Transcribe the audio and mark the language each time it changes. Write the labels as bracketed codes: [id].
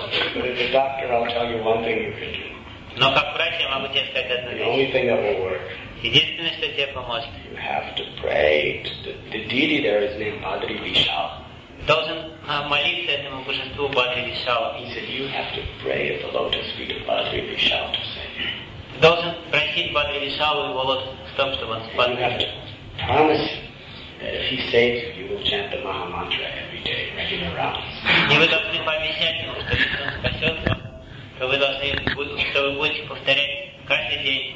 [en] "But as a doctor, I'll tell you one thing you can do. [ru] Но как врач я могу тебе сказать одно. [en] Only thing that will work. [ru] Единственное, что тебе поможет. [en] You have to pray. The deity there is named Badri Vishal. [ru] Должен молиться этому божеству Бадри Вишала. [en] He said you have to pray at the lotus feet of Badri Vishal to save. [ru] Должен просить Бадри Вишалу его лотос в том, чтобы он спас. [en] You have to promise that if he saves you, you will chant the Maha Mantra every day, regular rounds. [ru] И вы должны пообещать ему, что если он спасет вас, то вы должны, что вы будете повторять каждый день